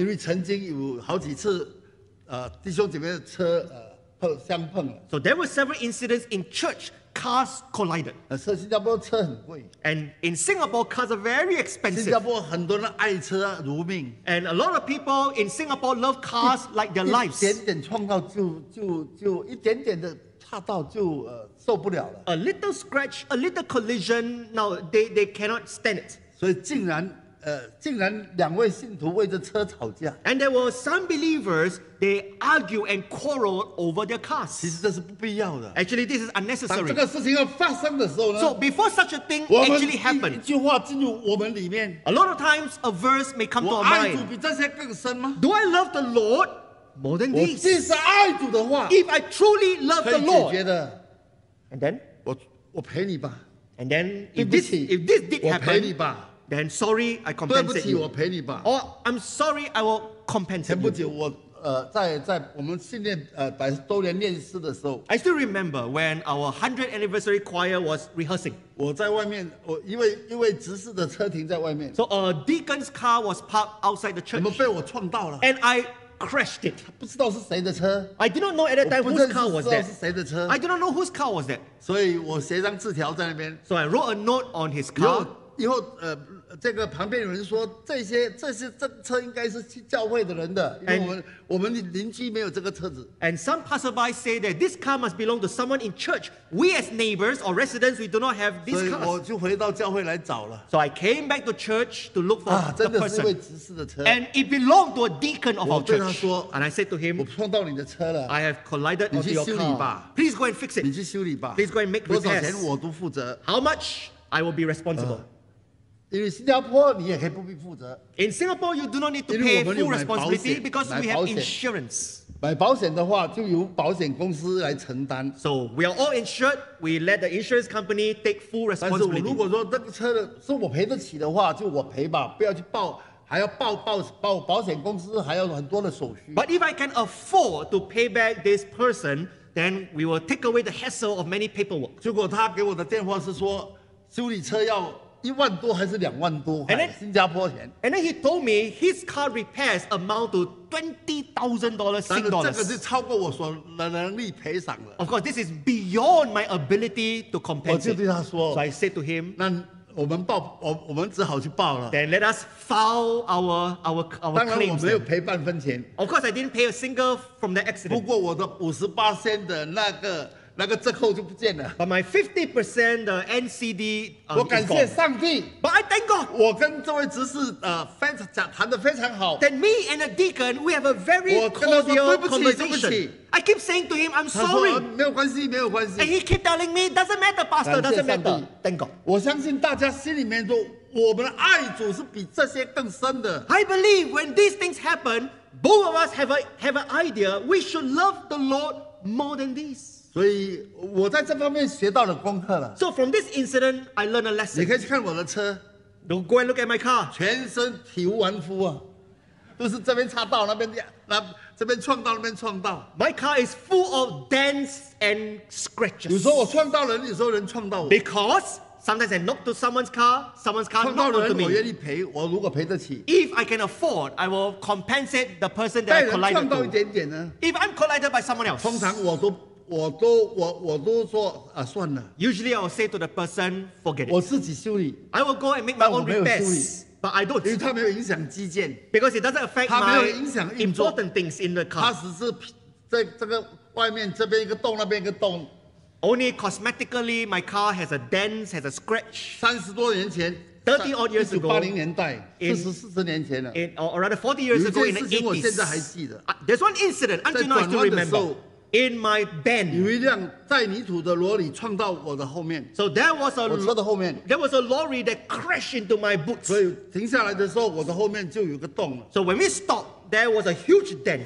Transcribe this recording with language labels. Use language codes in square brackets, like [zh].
[zh] 因为曾经有好几次，弟兄姐妹的车相碰了。 [en] So there were several incidents in church. Cars collided. [zh] 新加坡车很贵。 [en] And in Singapore, cars are very expensive. [zh] 新加坡很多人爱车如命。 [en] And a lot of people in Singapore love cars like their lives. [zh] 一点点撞到就一点点的踏到就受不了了。 [en] A little scratch, a little collision, now they cannot stand it. [zh] 所以竟然两位信徒为着车吵架。 [en] And there were some believers, they argue and quarrel over their cars. [zh] 其实这是不必要的。 [en] Actually, this is unnecessary. [zh] 当这个事情要发生的时候呢 [en] ？So before such a thing actually happened, [zh] 一句话进入我们里面。 [en] A lot of times, a verse may come to our mind. [zh] 我爱主比这些更深吗 [en] ？Do I love the Lord more than this? [zh] 我既是爱主的话 [en] ，If I truly love the Lord, [zh] 可以解决的。 [en] And then, [zh] 我陪你吧。 [en] And then, if this did happen, [zh] 我陪你吧。 [en] Then sorry, I compensate [zh] 对不起，我陪你吧。 [en] Or I'm sorry, I will compensate. [zh] 前不久我在我们训练百周年练诗的时候 [en] ，I still remember when our 100th anniversary choir was rehearsing. [zh] 我在外面，我因为执事的车停在外面。 [en] So a deacon's car was parked outside the church. [zh] 怎么被我撞到了 [en] ？And I crashed it. [zh] 不知道是谁的车。 [en] I did not know at that time whose car was that. [zh] 不知道是谁的车。 [en] I did not know whose car was that. [zh] 所以我写一张字条在那边。 [en] So I wrote a note on his car. [zh] 以后这个旁边有人说这车应该是去教会的人的，因为我们邻居没有这个车子。 [en] And some passersby say that this car must belong to someone in church. We as neighbors or residents, we do not have this car. [zh] 所以我就回到教会来找了。 [en] So I came back to church to look for the person. [zh] 真的是位执事的车。 [en] And it belonged to a deacon of our church. [zh] 我对他说 [en] ，And I said to him, [zh] 我碰到你的车了。 [en] I have collided with your car. Please go and fix it. [zh] 你去修理吧。 [en] Please go and make repairs. [zh] 多少钱我都负责。 [en] How much I will be responsible. [zh] 因为新加坡你也可以不必负责。 [en] In Singapore, you do not need to pay full responsibility because we have insurance. [zh] 买保险的话，就由保险公司来承担。 [en] So we are all insured. We let the insurance company take full responsibility. [zh] 但是如果说这个车是我赔得起的话，就我赔吧，不要去报，还要报保险公司，还有很多的手续。 [en] But if I can afford to pay back this person, then we will take away the hassle of many paperwork. [zh] 结果他给我的电话是说，修理车要。一万多还是两万多块？新加坡钱。 [en] And then he told me his car repairs amount to $20,000 Singapore. [zh] 这个是超过我所能力赔偿的。 [en] Of course, this is beyond my ability to compensate. [zh] 我就对他说。 [en] So I said to him, [zh] 那我们只好去报了。 [en] Then let us file our claims. [zh] 当然我没有赔半分钱。 [en] Of course, I didn't pay a single from the accident. [zh] 不过我的58%的那个折扣就不见了。 [en] But my 50% 的 NCD, [zh] 我感谢上帝。 [en] But I thank God. [zh] 我跟这位执事谈得非常好。 [en] Then me and a deacon, we have a very cordial conversation. [zh] 对不起。 [en] I keep saying to him, I'm sorry. [zh] 没有关系，没有关系。 [en] And he keep telling me, doesn't matter, pastor, doesn't matter. Thank God. [zh] 我相信大家心里面都，我们的爱主是比这些更深的。 [en] I believe when these things happen, both of us have an idea, we should love the Lord more than this. [zh] 所以我在这方面学到了功课了。 [en] So from this incident, I learned a lesson. [zh] 你可以去看我的车。 [en] Don't go and look at my car. [zh] 全身体无完肤啊，都是这边擦到那边这边撞到那边撞到。 [en] My car is full of dents and scratches. [zh] 有时候我撞到人，有时候人撞到我。 [en] Because sometimes I knock to someone's car, someone's car knocked onto me. [zh] 撞到人，我愿意赔。我如果赔得起。 [en] If I can afford, I will compensate the person that I collided with. [zh] 撞到一点点呢 [en] ？If I'm collided by someone else. [zh] 通常我都说啊，算了。 [en] Usually I'll say to the person, forget it. [zh] 我自己修理。 [en] I will go and make my own repairs. But I don't. [zh] 因为它没有影响基建。 [en] Because it doesn't affect my important things in the car. [zh] 它只是在这个外面这边一个洞，那边一个洞。 [en] Only cosmetically, my car has a dent, has a scratch. [zh] 三十多年前。 [en] 30 odd years ago, [zh] 1980年代，40年前了。 [en] Or rather 40 years ago in the 80s. [zh] 有一件事情我现在还记得。 [en] There's one incident until now I still remember. In my van, [zh] 有一辆在泥土的罗里撞到我的后面。 [en] So there was a [zh] 我车的后面。 [en] There was a lorry that crashed into my boots. [zh] 所以停下来的时候，我的后面就有个洞了。 [en] So when we stopped, there was a huge dent.